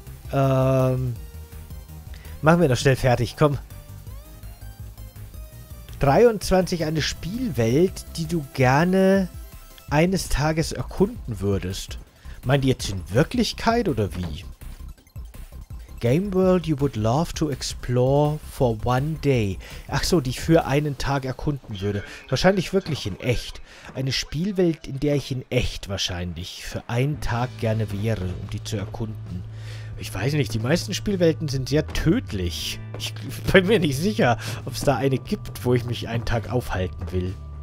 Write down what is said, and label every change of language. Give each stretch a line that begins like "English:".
German: Machen wir noch schnell fertig. Komm. 23, eine Spielwelt, die du gerne eines Tages erkunden würdest. Meint ihr jetzt in Wirklichkeit oder wie?
English: Game World you would love to explore for one day.
German: Ach so, die ich für einen Tag erkunden würde. Wahrscheinlich wirklich in echt. Eine Spielwelt, in der ich in echt wahrscheinlich für einen Tag gerne wäre, um die zu erkunden. Ich weiß nicht, die meisten Spielwelten sind sehr tödlich. Ich bin mir nicht sicher, ob es da eine gibt, wo ich mich einen Tag aufhalten will.